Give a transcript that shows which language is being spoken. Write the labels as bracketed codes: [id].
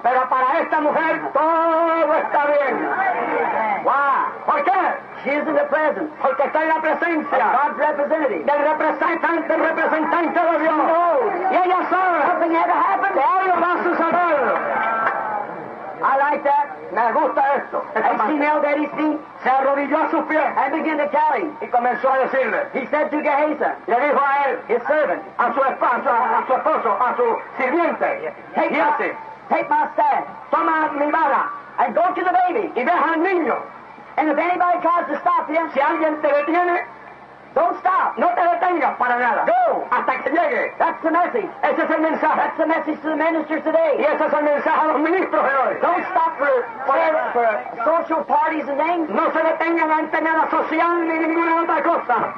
[es] Pero para esta mujer, todo está bien. [en] Why? [es] ¿Por qué? [en] She is in the presence. [es] Porque está en la presencia. [en] Of God's representative. [es] Del representante, el representante de Dios. [en] No. [es] Y ella sabe. [en] Nothing ever happened. [es] Que algo va a suceder. [en] I like that. [es] Me gusta esto. [en] And she knelt at his feet. [es] Se arrodilló a sus pies. [en] And began to tell him. [es] Y comenzó a decirle. [en] He said to Gehazi. [es] Le dijo a él. [en] His servant. [es] A su esposo, a su sirviente. [en] Take my staff. [es] Toma mi vara. [en] And go to the baby. [es] Y deja al niño. [en] And if anybody tries to stop him. [es] Si alguien te detiene. [en] Don't stop. [es] No te detengas para nada. [en] Go. [es] Hasta que llegue. [en] That's the message. [es] Ese es el mensaje. [en] That's the message to the ministers today. [es] Y ese es el mensaje a los ministros de hoy. [en] Don't stop for social parties and names. [es] No se detengan ante nada social ni ninguna otra cosa.